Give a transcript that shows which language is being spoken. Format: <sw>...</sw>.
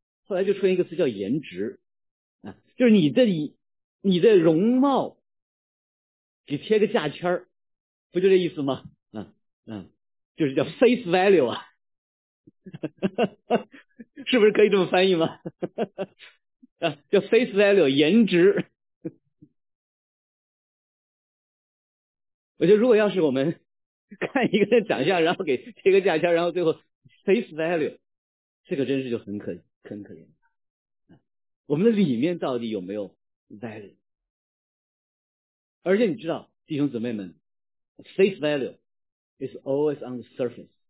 <zh>后来就出现一个词叫颜值，啊，就是你的容貌给贴个价签，不就这意思吗？就是叫 face value 啊。是不是可以这么翻译吗？叫 face value 颜值。我觉得如果要是我们看一个人长相，然后给贴个价签，然后最后 face value， 这个真是就很可怜。我们的里面到底有没有 value？而且你知道，弟兄姊妹们，</zh> <en>face value is always on the surface。</en>